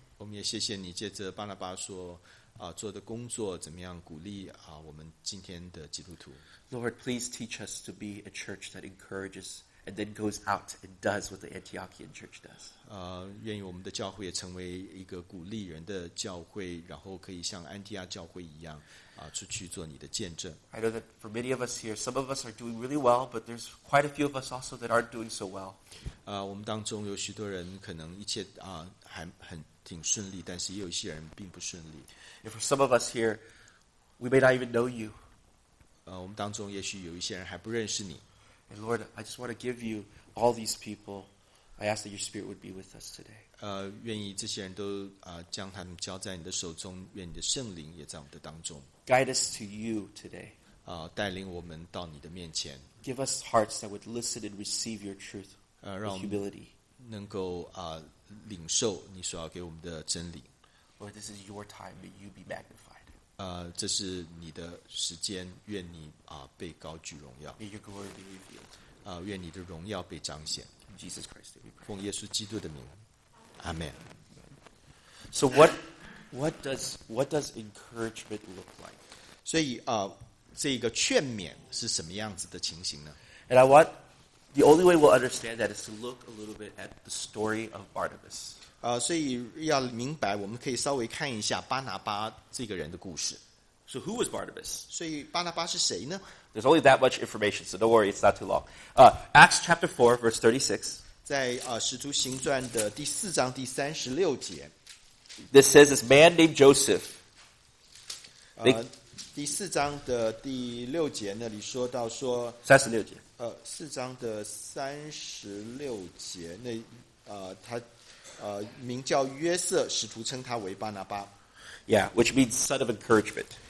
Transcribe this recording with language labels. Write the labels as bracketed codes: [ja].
[zh] 我们也谢谢你借着巴拿巴说做的工作怎么样鼓励我们今天的基督徒。 [en] Lord, please teach us to be a church that encourages. And then goes out and does what the Antiochian church does. [zh] 愿意我们的教会也成为一个鼓励人的教会，然后可以像安提阿教会一样，出去做你的见证。 [en] I know that for many of us here, some of us are doing really well, but there's quite a few of us also that aren't doing so well. [zh] 我们当中有许多人可能一切还很挺顺利，但是也有一些人并不顺利。 [en] And for some of us here, we may not even know you. [zh] 我们当中也许有一些人还不认识你。 [en] And Lord, I just want to give you all these people. I ask that your spirit would be with us today. [zh] 愿意这些人都将他们交在你的手中，愿你的圣灵也在我们的当中。 [en] Guide us to you today. [zh] 带领我们到你的面前。 [en] Give us hearts that would listen and receive your truth with humility. [zh] 能够领受你所要给我们的真理。 [en] Lord, this is your time. May you be magnified. [zh] 这是你的时间，愿你被高举荣耀。 [en] May your glory be revealed. [zh] 愿你的荣耀被彰显。 [en] In Jesus Christ, we pray. [zh] 奉耶稣基督的名，阿门。 [en] So what does encouragement look like? [zh] 所以这个劝勉是什么样子的情形呢 [en] ？And I want the only way we'll understand that is to look a little bit at the story of Barnabas. [zh] 所以要明白，我们可以稍微看一下巴拿巴这个人的故事。 [en] So who was Barnabas? [zh] 所以巴拿巴是谁呢 [en] ？There's only that much information, so don't worry, it's not too long. Acts chapter 4, verse 36. [zh] 在使徒行传的第四章第三十六节 [en] ，This says this man named Joseph. [zh] 第四章的第六节那里说到说三十六节。四章的三十六节那他。名叫约瑟，使徒称他为巴拿巴。 [en] Yeah, which means son of encouragement.